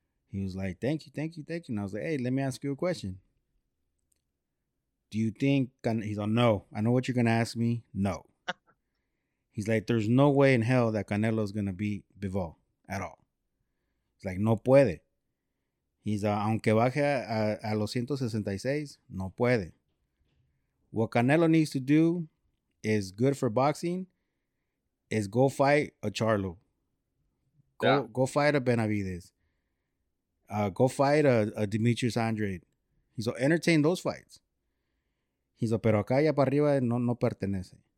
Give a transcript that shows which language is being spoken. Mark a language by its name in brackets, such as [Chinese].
[English] He was like, thank you. And I was like, hey, let me ask you a question. Do you think, he's like, no, I know what you're going to ask me. No. He's like, there's no way in hell that Canelo is going to beat Bivol at all. He's like, [Spanish] no puede. [English] He's like, [Spanish] aunque baje a los 166, no puede. [English] What Canelo needs to do is good for boxing is go fight a Charlo. Go fight a Benavidez. Go fight a Demetrius Andrade. He's going to entertain those fights. He's like, [Spanish] pero acá ya para arriba no pertenece.